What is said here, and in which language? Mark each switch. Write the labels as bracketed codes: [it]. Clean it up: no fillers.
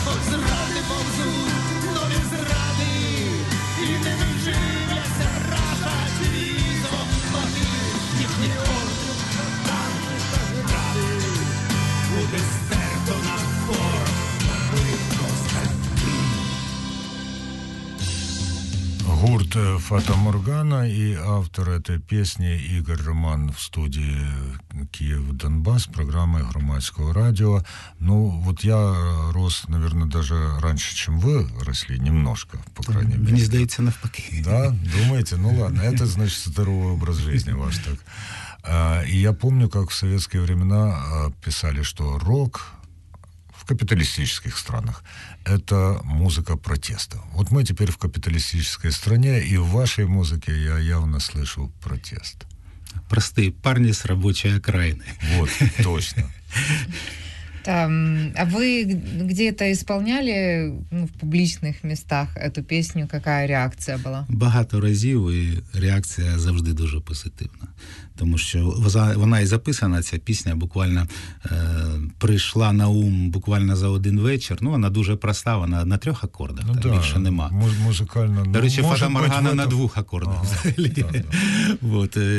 [uk] Зради повзуть нові зради, і не виживляться раша світом води, їхні орди там зради, буде стерто на порох козаки. Гурт «Фата Моргана» і автор цієї пісні Ігор Роман в студії «Київ-Донбас», програми громадського радіо. [ru] Ну, от я рос, наверное, даже раньше, чем вы росли, немножко, по крайней мере. [uk] Мені здається, навпаки. [ru] Да? Думаете? Ну, ладно. Это, значит, здоровый образ жизни ваш так. И я помню, как в советские времена писали, что рок в капиталистических странах – это музыка протеста. Вот мы теперь в капиталистической стране, и в вашей музыке я явно слышу протест. Простые парни с рабочей окраины. Вот, точно. Там, а вы где-то исполняли, ну, в публичных местах эту песню? Какая реакция была? [uk] Багато разів, и реакция завжди дуже позитивна. Тому що вона і записана, ця пісня, буквально прийшла на ум буквально за один вечір. Ну, вона дуже проста, вона на трьох акордах, ну, там, да, більше нема. Музикально. До речі, «Фата Моргана» на двох акордах. Ага, взагалі. Да. Вот.